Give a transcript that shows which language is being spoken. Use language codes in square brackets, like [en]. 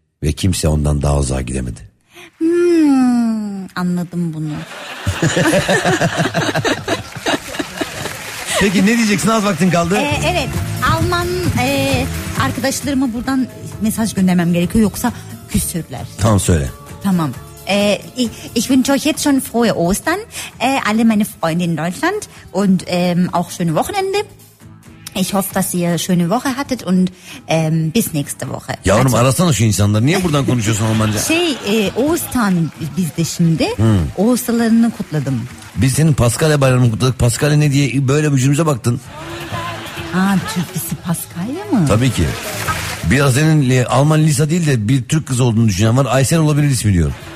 [tr] Ve kimse ondan daha uzağa gidemedi. Anladım bunu. Peki ne diyeceksin, az vaktin kaldı. Evet, Alman arkadaşlarıma buradan mesaj göndermem gerekiyor. Yoksa küstürdüler. Tamam söyle. Tamam. [de] Ich wünsche euch jetzt schon frohe Ostern, alle meine Freunde in Deutschland und auch schöne Wochenende. Ich hoffe, dass ihr schöne Woche hattet und bis nächste Woche. [tr] Yavrum arasana şu insanları. Niye buradan konuşuyorsun Almanca? Ostern bizde şimdi. Hmm. Ostalarını kutladım. Biz senin Paskalya bayramını kutladık. Paskalya ne diye böyle vücudumuza baktın. Aa, Türkçesi Paskalya mı? Tabii ki. Biraz senin Alman Lisa değil de bir Türk kızı olduğunu düşünen var. Aysel olabilir ismi diyorum.